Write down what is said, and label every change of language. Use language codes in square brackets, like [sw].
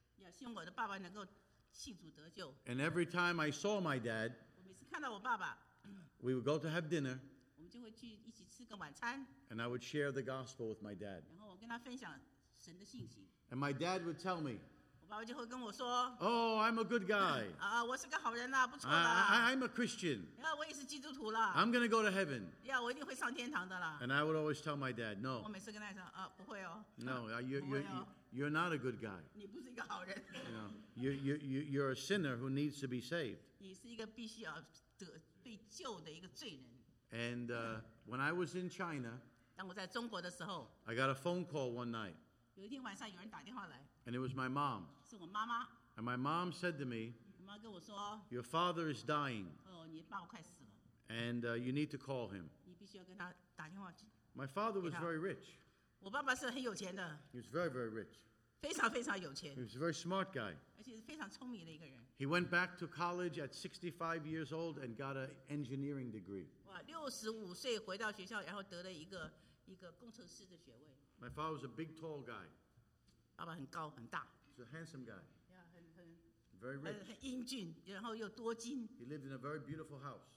[zh] 希望我的爸爸能够信主得救。 [en] And every time I saw my dad, [zh] 我每次看到我爸爸。 [en] We would go to have dinner. [zh] 就会去一起吃个晚餐。 [en] And I would share the gospel with my dad. [zh] 然后我跟他分享神的信息。 [en] And my dad would tell me. [zh] 我爸爸就会跟我说。 [en] Oh, I'm a good guy. [zh] 我是个好人啦，不错 [en] 啦。I'm a Christian. [zh] 我也是基督徒了。 [en] I'm going to go to heaven. [zh] 我一定会上天堂的啦。 [en] And I would always tell my dad, no. [zh] 我每次跟他说，不会哦。 [en] No, you're not a good guy. [zh] 你不是一个好人。 [en] No, you're a sinner who needs to be saved. [zh] 你是一个必须要被救的一个罪人。 [en] And when I was in China, [zh] 当我在中国的时候, [en] I got a phone call one night. [zh] 有一天晚上有人打电话来, [en] and it was my mom. [zh] 是我妈妈, [en] and my mom said to me, [zh] 我妈跟我说, [en] your father is dying. [zh] 哦, 你爸爸快死了, [en] and you need to call him. [zh] 你必须要跟他打电话去, [en] my father was very rich. [zh] 我爸爸是很有钱的, [en] he was very, very rich. [zh] 非常非常有钱, [en] he was a very smart guy. [zh] 而且是非常聪明的一个人。 [en] He went back to college at 65 years old and got an engineering degree. [zh] 65岁回到学校，然后得了一个工程师的学位。 [en] My father was a big, tall guy. [zh] 爸爸很高很大。 [en] He's a handsome guy. Yeah, very rich. [zh] 很英俊，然后又多金。 [en] He lived in a very beautiful house.